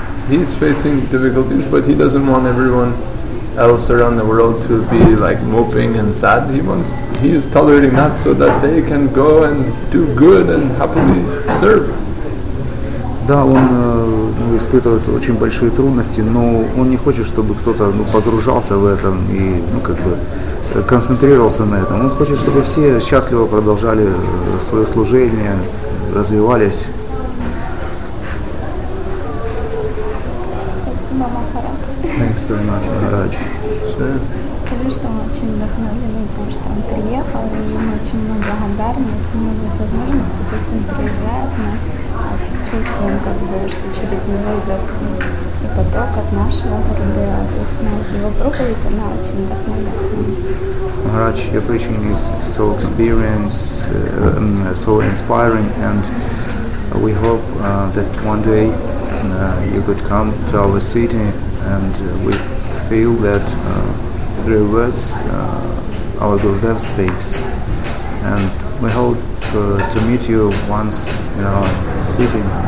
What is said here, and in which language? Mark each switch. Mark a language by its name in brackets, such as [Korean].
[English] He's facing difficulties, but he doesn't want everyone else around the world to be like moping and sad. He is tolerating that so that they can go and do good and happily serve. [Russian] Да, он испытывает очень большие трудности, но он не хочет, чтобы кто-то погружался в это и концентрировался на этом. Он хочет, чтобы все счастливо продолжали свое служение, развивались. [English] Thanks very much, Maharaj. [Russian] Скажи, что мы очень вдохновлены тем, что он приехал, и мы очень ему благодарны, если у него есть возможность, то пусть он приезжает, мы чувствуем, что через него идет и поток от нашего города, то есть его проповедь, она очень вдохновляет нас. [English] Maharaj, your preaching is so experienced, so inspiring, and we hope that one day you could come to our city, and we feel that through your words our Gurudev speaks, and we hope to meet you once in our city.